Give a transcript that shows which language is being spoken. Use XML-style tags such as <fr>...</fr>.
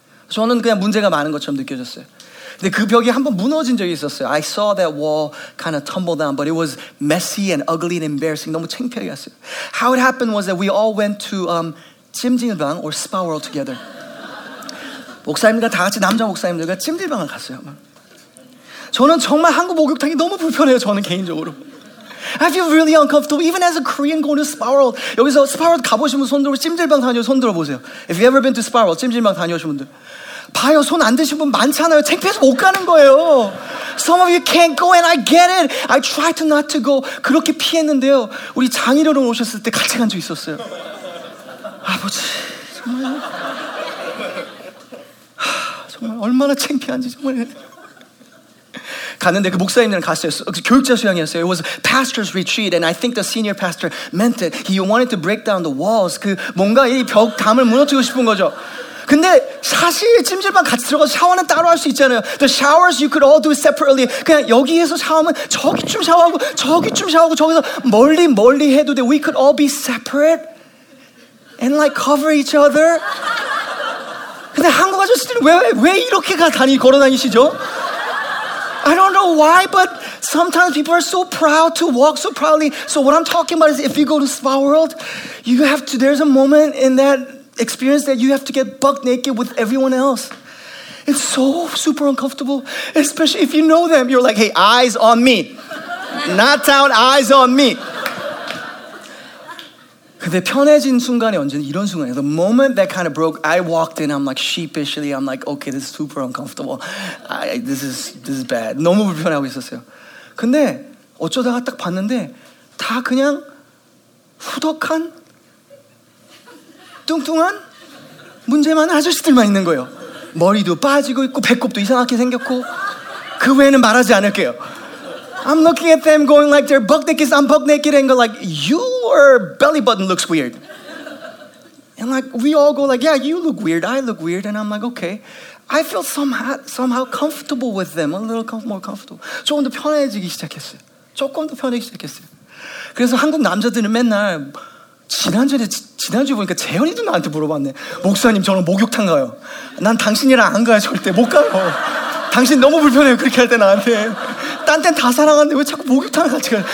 <ko>저는 그냥 문제가 많은 것처럼 느껴졌어요. 근데 그 벽이 한번 무너진 적이 있었어요.</ko> <en>I saw that wall kind of tumble down, but it was messy and ugly and embarrassing.</en> <ko>너무 창피했어요.</ko> <en>How it happened was that we all went to 찜질방 or spa world together.</en> <ko>목사님과 다 같이 남자 목사님들과 찜질방을 갔어요. 저는 정말 한국 목욕탕이 너무 불편해요. 저는 개인적으로.</ko> <en>I feel really uncomfortable. Even as a Korean going to spa world.</en> <ko>여기서 spa world 가보신 분 손 들어보세요. 찜질방 다녀오신 분 손 들어보세요. If you ever been to spa world, 찜질방 다녀오신 분들. 봐요, 손 안 드신 분 많잖아요. 창피해서 못 가는 거예요.</ko> <en>Some of you can't go and I get it. I tried to not to go.</en> <ko>그렇게 피했는데요. 우리 장인어른 오셨을 때 같이 간 적 있었어요. 아버지, 정말. 정말 얼마나 창피한지 정말. 갔는데 그 목사님들은 갔어요. 교육자 수양이었어요.</ko> <en>It was pastor's retreat and I think the senior pastor meant it. He wanted to break down the walls.</en> <ko>그 뭔가 이 벽 담을 무너뜨리고 싶은 거죠. 근데 사실 찜질방 같이 들어가서 샤워는 따로 할 수 있잖아요.</ko> <en>The showers you could all do separately.</en> <ko>그냥 여기에서 샤워하면 저기쯤 샤워하고 저기쯤 샤워하고 저기서 멀리 멀리 해도 돼.</ko> <en>We could all be separate and like cover each other.</en> <ko>근데 한국 아저씨들은 왜 이렇게 걸어다니시죠?</ko> <en>I don't know why, but sometimes people are so proud to walk so proudly. So what I'm talking about is if you go to spa world, you have to, there's a moment in that experience that you have to get buck naked with everyone else. It's so super uncomfortable, especially if you know them. You're like, hey, eyes on me. Not down, eyes on me.</en> <ko>근데 편해진 순간이 언제냐? 이런 순간이에요.</ko> <en>The moment that kind of broke, I walked in. I'm like sheepishly. I'm like, okay, this is super uncomfortable. This is bad.</en> <ko>너무 불편하고 있었어요. 근데 어쩌다가 딱 봤는데 다 그냥 후덕한, 뚱뚱한, 문제 많은 아저씨들만 있는 거예요. 머리도 빠지고 있고 배꼽도 이상하게 생겼고 그 외에는 말하지 않을게요.</ko> <en>I'm looking at them going like they're buck naked, I'm buck naked, and go like, your belly button looks weird. And like, we all go like, yeah, you look weird, I look weird, and I'm like, okay. I feel somehow comfortable with them, a little more comfortable.</en> <ko>조금 더 편해지기 시작했어요. 조금 더 편해지기 시작했어요. 그래서 한국 남자들은 맨날, 지난주에 보니까 재현이도 나한테 물어봤네. 목사님, 저는 목욕탕 가요. 난 당신이랑 안 가요, 절대. 못 가요. 당신 너무 불편해요, 그렇게 할 때 나한테. 딴 땐 다 사랑하는데 왜 자꾸 목욕탕을 같이 가요?</ko>